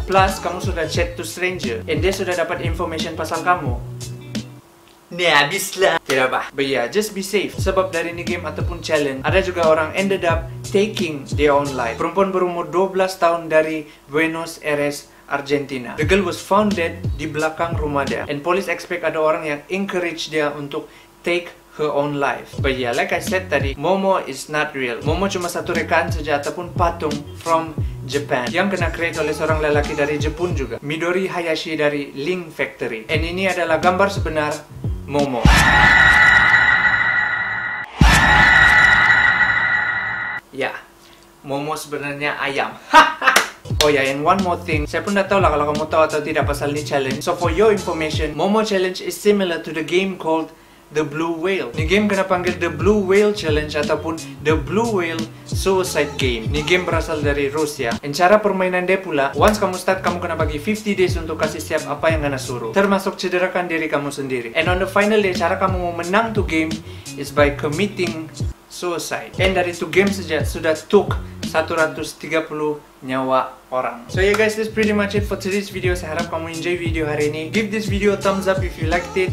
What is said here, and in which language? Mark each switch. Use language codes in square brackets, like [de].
[ms] Plus kamu sudah [en] chat to stranger [ms] and dia sudah dapat information pasal kamu. Nih habis lah. Tidak apa. [en] But yeah, just be safe. [ms] Sebab dari ini game ataupun challenge, ada juga orang [en] ended up taking their own life. [ms] Perempuan berumur 12 tahun dari Buenos Aires, Argentina. [en] The girl was found dead [ms] di belakang rumah dia. [en] And police expect [ms] ada orang yang [en] encourage [ms] dia untuk [en] take her own life. But yeah, like I said [ms] tadi, [en] Momo is not real. [ms] Momo cuma satu rekaan saja ataupun patung [en] from Japan [ms] yang kena create oleh seorang lelaki dari Jepun juga. Midori Hayashi dari Link Factory. And ini adalah gambar sebenar Momo. Ya, Momo sebenarnya ayam. [en] Oh ya, yeah, and one more thing. [ms] Saya pun dah tahu lah kalau kamu tahu atau tidak pasal ni challenge. [en] So for your information, Momo challenge is similar to the game called The Blue Whale. [ms] Ni game kena panggil The Blue Whale Challenge ataupun The Blue Whale Suicide Game. Ni game berasal dari Rusia. And cara permainan dia pula, once kamu start, kamu kena bagi [en] 50 days [ms] untuk kasih siap apa yang kena suruh, termasuk cederakan diri kamu sendiri. [en] And on the final day, [ms] cara kamu mau menang tu [en] game is by committing suicide. [ms] And dari tu game saja sudah [en] took [ms] 130 nyawa orang. [en] So yeah guys, that's pretty much it for today's video. [ms] Saya harap kamu enjoy video hari ini. [en] Give this video a thumbs up if you liked it.